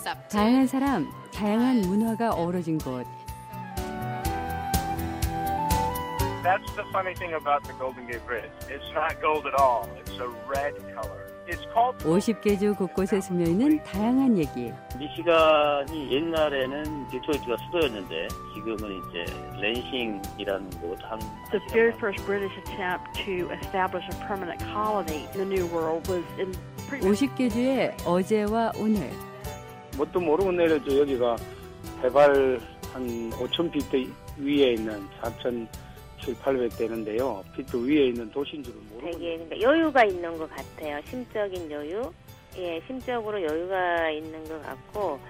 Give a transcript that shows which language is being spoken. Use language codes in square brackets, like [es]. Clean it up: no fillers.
[ko] 다양한 사람, 다양한 문화가 어우러진 곳. [en] That's the funny thing about the Golden Gate Bridge. It's not gold at all. It's a red color. [ko] 50개 주 곳곳에 숨어 있는 다양한 얘기. 미시간이 옛날에는 디트로이트가 수도였는데 지금은 이제 랜싱이라는 곳 한. [en] The very first British attempt to establish a permanent colony in the New World was in. [ko] 50개 주의 어제와 오늘. 뭣도 모르고 내려도 여기가 해발 한 5,000피트 위에 있는 4,700 되는데요. 빛도 위에 있는 도시인 줄은 모르겠는데 여유가 있는 것 같아요. 심적인 여유. 예, 심적으로 여유가 있는 것 같고.